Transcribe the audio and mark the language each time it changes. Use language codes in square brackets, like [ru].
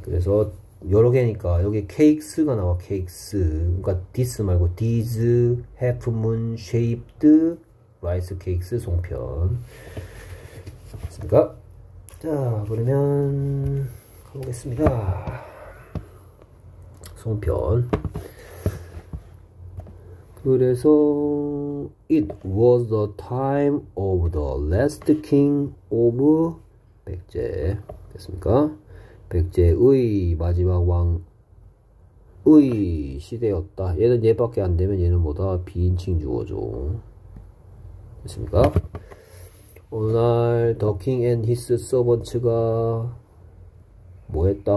[ko] 그래서 여러 개니까 여기 케이크스가 나와. 케이크스, 그러니까 디스 말고 [en] 디즈 해프문 쉐이프드 라이스 케이크스 [ko] 송편. 됐습니까? 자, 그러면 가보겠습니다. 송편. [en] 그래서 it was the time of the last king of 백제. [ko] 됐습니까? 백제의 마지막 왕의 시대였다. 얘는 얘밖에 안 되면 얘는 뭐다? 비인칭 주어죠. 됐습니까? 오늘날 더킹앤 히스 서번츠가 뭐했다?